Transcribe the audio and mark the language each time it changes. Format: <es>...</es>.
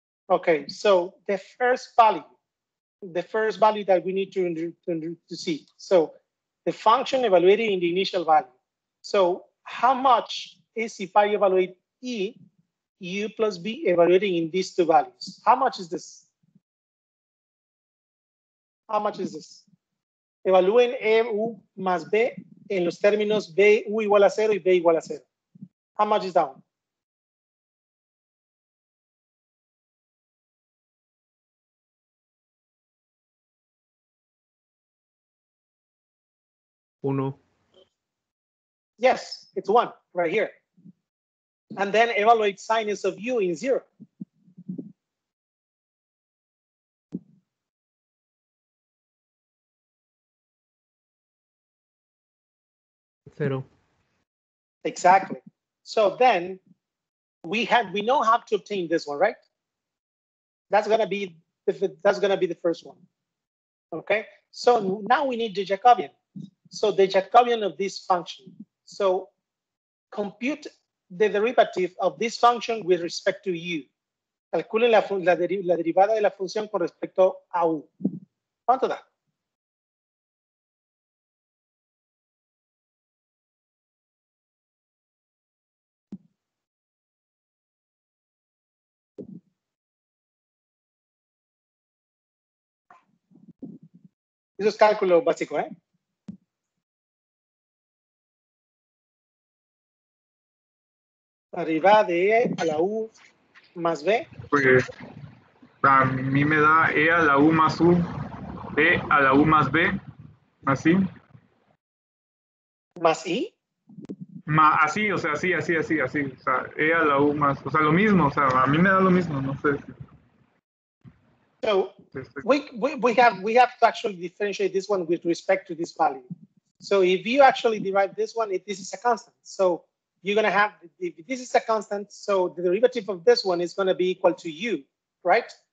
<en>Okay, so the first value that we need to see. So the function evaluated in the initial value. So how much is, if I evaluate e, u plus b evaluating in these two values? How much is this?</en> <es>Evaluen e, u más b en los términos b, u igual a cero y b igual a cero.</es> <en>How much is that one?</en> <es>Uno.</es> <en>Yes, it's one right here. And then evaluate sinus of u in zero. Zero. Exactly. So then we know how to obtain this one, right? That's gonna be the first one. Okay. So now we need the Jacobian. So the Jacobian of this function. So compute the derivative of this function with respect to u.</en> <es>Calculen la derivada de la función con respecto a u. ¿Cuánto da? Eso es cálculo básico, ¿eh? Arriba de E a la U más B. Pues a mí me da E a la U más U, B a la U más B, así. ¿Más I? Así. O sea, E a la U más, o sea, lo mismo. O sea, a mí me da lo mismo, no sé.</es> <en>So, we have to actually differentiate this one with respect to this value. So, if you actually divide this one, this is a constant. So, you're going to have, if this is a constant, so the derivative of this one is going to be equal to u, right?</en>